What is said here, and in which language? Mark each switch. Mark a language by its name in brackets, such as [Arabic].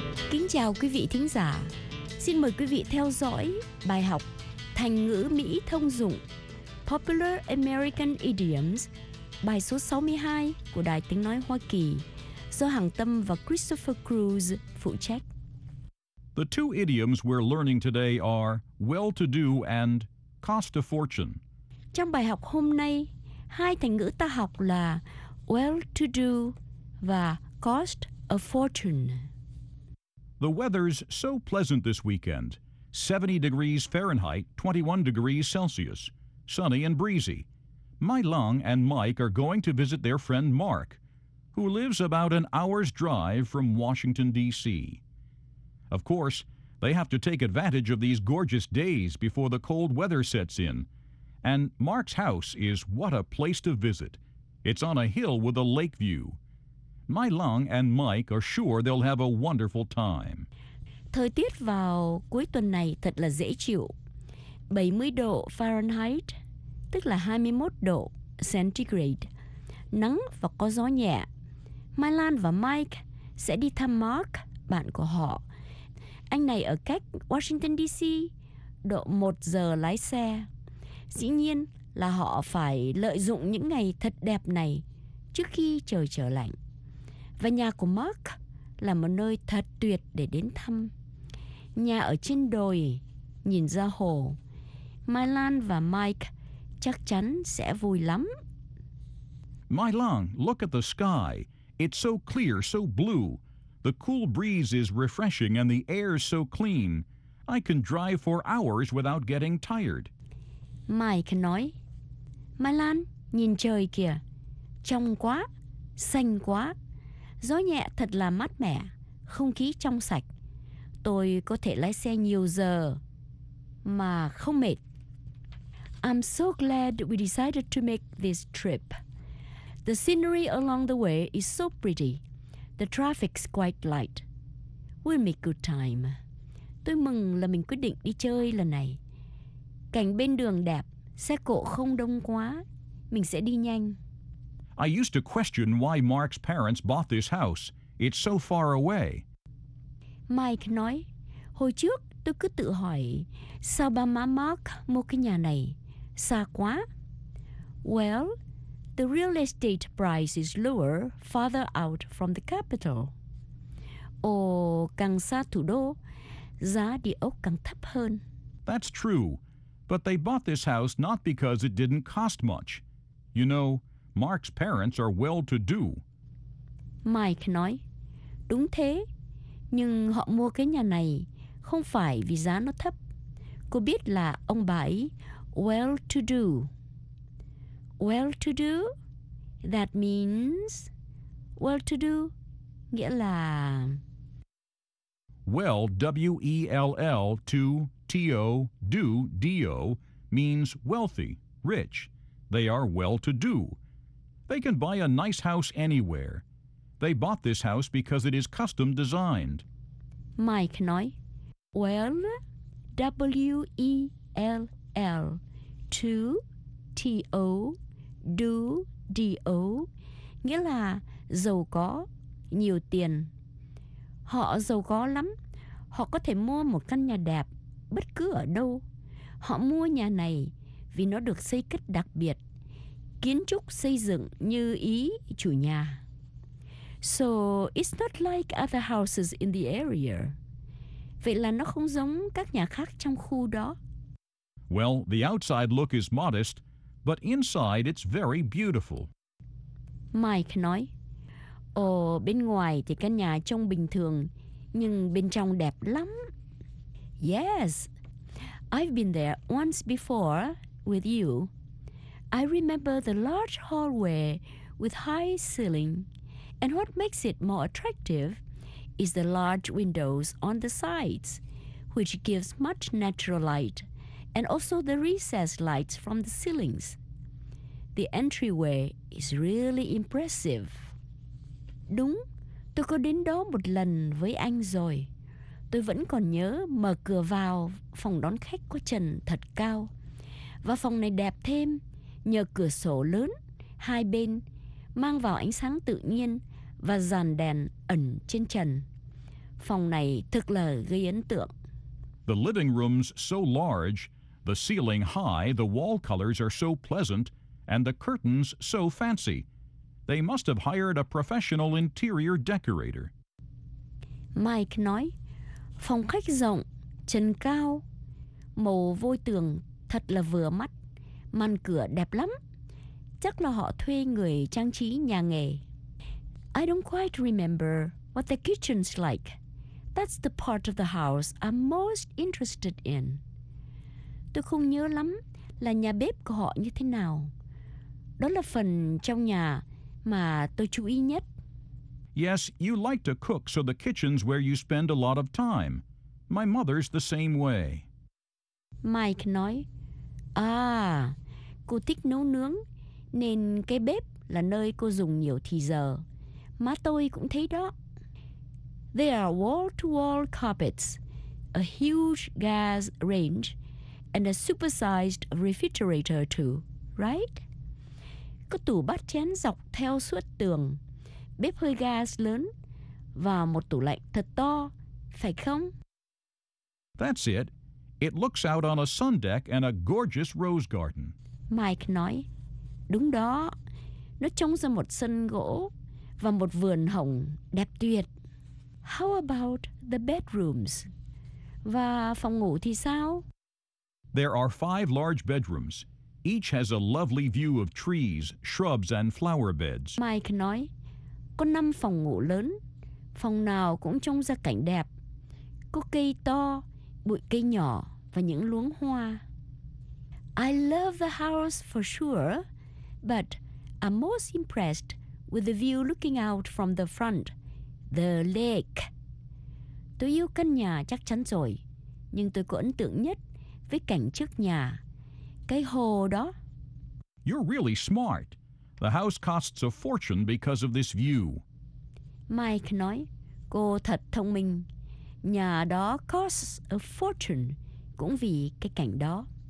[Vietnamese] Kính chào quý vị thính giả. Xin mời quý vị theo dõi bài học thành ngữ Mỹ thông dụng Popular American Idioms, bài số 62 của Đài Tiếng Nói Hoa Kỳ, do Hằng Tâm và Christopher Cruz phụ trách. [English] The two idioms we're learning today are well-to-do and cost a fortune. [Vietnamese] Trong bài học hôm nay, hai thành ngữ ta học là well-to-do và cost a fortune. [English] The weather's so pleasant this weekend. 70 degrees Fahrenheit, 21 degrees Celsius. Sunny and breezy. My Lung and Mike are going to visit their friend Mark, who lives about an hour's drive from Washington, D.C. Of course, they have to take advantage of these gorgeous days before the cold weather sets in. And Mark's house is what a place to visit. It's on a hill with a lake view. Mai Lang and Mike are sure they'll have a wonderful time. [Vietnamese] Thời tiết vào cuối tuần này thật là dễ chịu. 70 độ Fahrenheit, tức là 21 độ Centigrade. Nắng và có gió nhẹ. Mai Lan và Mike sẽ đi thăm Mark, bạn của họ. Anh này ở cách Washington DC, độ 1 giờ lái xe. Dĩ nhiên là họ phải lợi dụng những ngày thật đẹp này trước khi trời trở lạnh. Và nhà của Mark là một nơi thật tuyệt để đến thăm. Nhà ở trên đồi, nhìn ra hồ. Mai Lan và Mike chắc chắn sẽ vui lắm. [English] Mai Lan, look at the sky. It's so clear, so blue. The cool breeze is refreshing and the air is so clean. I can drive for hours without getting tired. [Vietnamese] Mike nói, Mai Lan, nhìn trời kìa. Trong quá, xanh quá. Gió nhẹ thật là mát mẻ, không khí trong sạch. Tôi có thể lái xe nhiều giờ mà không mệt. [English] I'm so glad we decided to make this trip. The scenery along the way is so pretty. The traffic's quite light. We'll make good time. [Vietnamese] Tôi mừng là mình quyết định đi chơi lần này. Cảnh bên đường đẹp, xe cộ không đông quá. Mình sẽ đi nhanh. [English] I used to question why Mark's parents bought this house. It's so far away. [Vietnamese] Mike nói, hồi trước tôi cứ tự hỏi, sao ba má Mark mua cái nhà này? Xa quá. [English] Well, the real estate price is lower farther out from the capital. [Vietnamese] Ồ, càng xa thủ đô, giá địa ốc càng thấp hơn. [English] That's true. But they bought this house not because it didn't cost much. You know, Mark's parents are well-to-do. [Vietnamese] Mike nói, đúng thế, nhưng họ mua cái nhà này không phải vì giá nó thấp. Cô biết là ông bà ấy well-to-do. [English] Well-to-do, that means well-to-do, [Vietnamese] nghĩa là... [English] Well, W-E-L-L, to T-O, do, D-O, means wealthy, rich. They are well-to-do. They can buy a nice house anywhere. They bought this house because it is custom designed. [Vietnamese] Mike nói, [English] well, W-E-L-L, to, T-O, do, D-O, [Vietnamese] nghĩa là giàu có, nhiều tiền. Họ giàu có lắm. Họ có thể mua một căn nhà đẹp bất cứ ở đâu. Họ mua nhà này vì nó được xây cất đặc biệt. Kiến trúc xây dựng như ý chủ nhà. [English] So, it's not like other houses in the area. [Vietnamese] Vậy là nó không giống các nhà khác trong khu đó. [English] Well, the outside look is modest, but inside it's very beautiful. [Vietnamese] Mike nói, ồ, bên ngoài thì căn nhà trông bình thường, nhưng bên trong đẹp lắm. [English] Yes, I've been there once before with you. I remember the large hallway with high ceiling. And what makes it more attractive is the large windows on the sides, which gives much natural light, and also the recessed lights from the ceilings. The entryway is really impressive. [Vietnamese] Đúng, tôi có đến đó một lần với anh rồi. Tôi vẫn còn nhớ mở cửa vào phòng đón khách có trần thật cao. Và phòng này đẹp thêm. Nhờ cửa sổ lớn, hai bên, mang vào ánh sáng tự nhiên và dàn đèn ẩn trên trần. Phòng này thực là gây ấn tượng. [English] The living room's so large, the ceiling high, the wall colors are so pleasant, and the curtains so fancy. They must have hired a professional interior decorator. [Vietnamese] Mike nói, phòng khách rộng, trần cao, màu vôi tường thật là vừa mắt. Màn cửa đẹp lắm. Chắc là họ thuê người trang trí nhà nghề. [English] I don't quite remember what the kitchen's like. That's the part of the house I'm most interested in. [Vietnamese] Tôi không nhớ lắm là nhà bếp của họ như thế nào. Đó là phần trong nhà mà tôi chú ý nhất. [English] Yes, you like to cook, so the kitchen's where you spend a lot of time. My mother's the same way. [Vietnamese] Mike nói, à, cô thích nấu nướng, nên cái bếp là nơi cô dùng nhiều thì giờ. Má tôi cũng thấy đó. [English] There are wall-to-wall carpets, a huge gas range, and a supersized refrigerator too, right? [Vietnamese] Có tủ bát chén dọc theo suốt tường, bếp hơi gas lớn, và một tủ lạnh thật to, phải không? [English] That's it. It looks out on a sun deck and a gorgeous rose garden. [Vietnamese] Mike nói, đúng đó, nó trông ra một sân gỗ và một vườn hồng đẹp tuyệt. [English] How about the bedrooms? [Vietnamese] Và phòng ngủ thì sao? [English] There are 5 large bedrooms. Each has a lovely view of trees, shrubs and flower beds. [Vietnamese] Mike nói, có 5 phòng ngủ lớn. Phòng nào cũng trông ra cảnh đẹp. Có cây to, bụi cây nhỏ và những luống hoa. [English] I love the house for sure, but I'm most impressed with the view looking out from the front, the lake. [Vietnamese] Tôi yêu căn nhà chắc chắn rồi, nhưng tôi có ấn tượng nhất với cảnh trước nhà, cái hồ đó. [English] You're really smart. The house costs a fortune because of this view. [Vietnamese] Mike nói, cô thật thông minh. Nhà đó [English] costs a fortune [Vietnamese] cũng vì cái cảnh đó.